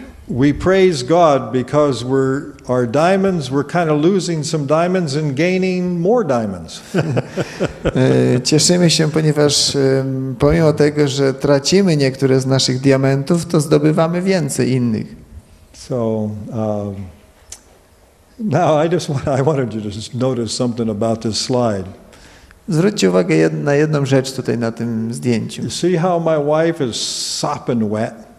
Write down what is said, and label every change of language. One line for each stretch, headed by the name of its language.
English: We praise God because our diamonds, we're kind of losing some diamonds and gaining more diamonds.
Polish: Cieszymy się, ponieważ pomimo tego, że tracimy niektóre z naszych diamentów, to zdobywamy więcej innych.
English: So, now I wanted you to just notice something about this slide.
Polish: Zwróćcie uwagę na jedną rzecz tutaj na tym zdjęciu.
English: You see how my wife is sopping wet?